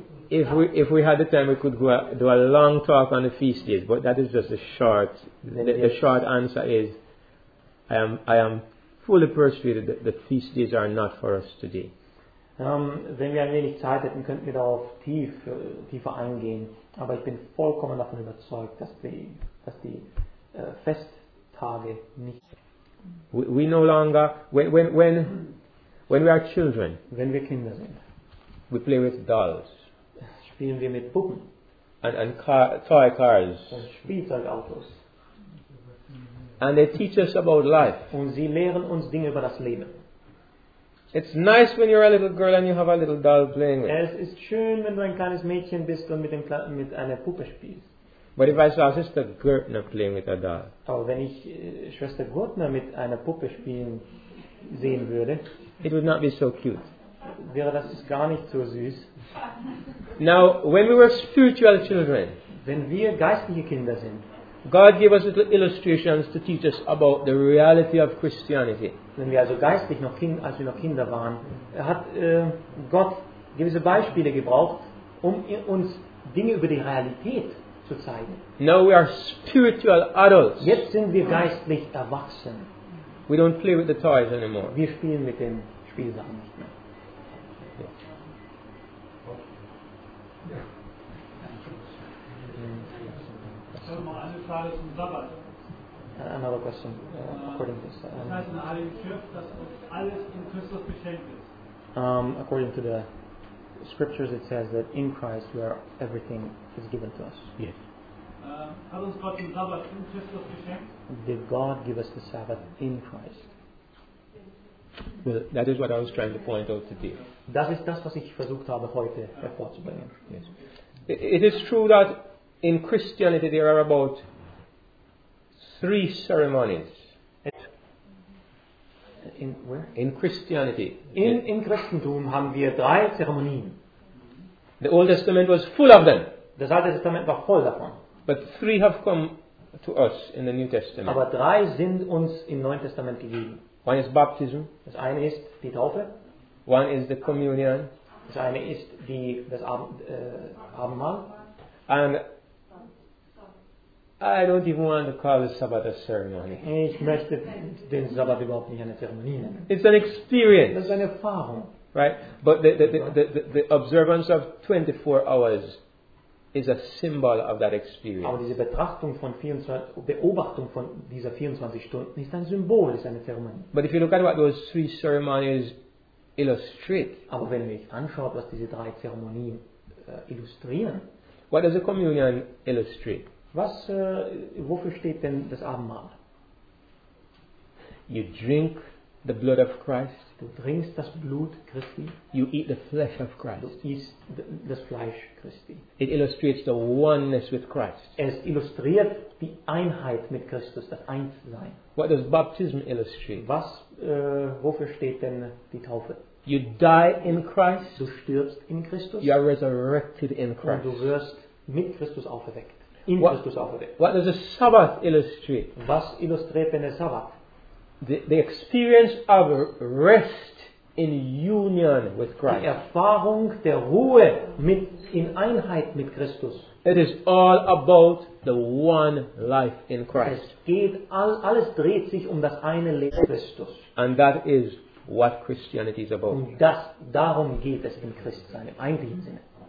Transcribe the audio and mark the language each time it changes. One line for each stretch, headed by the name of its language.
English: If we had the time, we could go do a long talk on the feast days, but that is just a short. The short answer is, I am fully persuaded that the feast days are not for us today.
German: Wenn wir ein wenig Zeit hätten, könnten wir darauf tiefer eingehen. Aber ich bin vollkommen davon überzeugt, dass die Festtage nicht.
English: We no longer when we are children.
German: Wenn wir Kinder sind.
English: We play with dolls.
German: Spielen wir mit Puppen.
English: And toy cars.
German: Und Spielzeugautos.
English: And they teach us about life.
German: Und sie lehren uns Dinge über das Leben.
English: It's nice when you're a little girl and you have a little doll playing with.
German: Es ist schön, wenn du ein kleines Mädchen bist und mit einer Puppe spielst.
English: But if I saw Sister Gertner playing with a doll.
German: Aber wenn ich Schwester Gertner mit einer Puppe spielen sehen würde.
English: It would not be so cute.
German: Wäre das gar nicht so süß.
English: Now, when we were spiritual children,
German: wenn wir geistliche Kinder sind,
English: God gave us little illustrations to teach us about the reality of Christianity.
German: Wenn wir also geistlich noch Kinder waren, hat Gott gewisse Beispiele gebraucht, um uns Dinge über die Realität zu zeigen.
English: Now we are spiritual adults.
German: Jetzt sind wir geistlich erwachsen.
English: We don't play with the toys anymore.
German: Wir spielen mit den Spielsachen nicht mehr.
English: Another question according to this. According to the scriptures, it says that in Christ we are everything is given to us. Yes. Did God give us the Sabbath in Christ? Well, that is what I was trying to point out today.
German: Das ist das, was ich versucht habe heute hervorzubringen.
English: Yes. It is true that in Christianity there are about 3 ceremonies. In where? In Christianity.
German: In Christentum haben wir 3 Zeremonien.
English: The Old Testament was full of them.
German: Das Alte Testament war voll davon.
English: But 3 have come to us in the New Testament.
German: Aber 3 sind uns im Neuen Testament gegeben.
English: One is baptism.
German: Das eine ist die Taufe.
English: One is the communion.
German: Das eine ist das Abendmahl.
English: And I don't even want to call the Sabbath a ceremony.
German: Ich möchte den Sabbat überhaupt nicht eine Zeremonie nennen.
English: It's an experience.
German: Das ist eine Erfahrung.
English: Right? But the observance of 24 hours is a symbol of that experience.
German: Aber diese Beobachtung von dieser 24 Stunden ist ein Symbol, ist eine Zeremonie.
English: But if you look at what those 3 ceremonies illustrate.
German: Aber wenn ich anschaue, was diese 3 Zeremonien illustrieren.
English: What does the communion illustrate?
German: Wofür steht denn das Abendmahl?
English: You drink the blood of Christ.
German: Du trinkst das Blut Christi.
English: You eat the flesh of Christ.
German: Du isst das Fleisch Christi.
English: It illustrates the oneness with Christ.
German: Es illustriert die Einheit mit Christus, das Einssein.
English: What does baptism illustrate?
German: Wofür steht denn die Taufe?
English: You die in Christ.
German: Du stirbst in Christus.
English: You are resurrected in Christ.
German: Und du wirst mit Christus auferweckt.
English: What does the Sabbath illustrate?
German: Was illustriert denn der Sabbat?
English: The experience of rest in union with Christ.
German: Die Erfahrung der Ruhe in Einheit mit Christus.
English: It is all about the one life in Christ.
German: Es geht alles dreht sich das eine Leben Christus.
English: And that is what Christianity is about.
German: Und darum geht es im Christsein, im eigentlichen Sinne.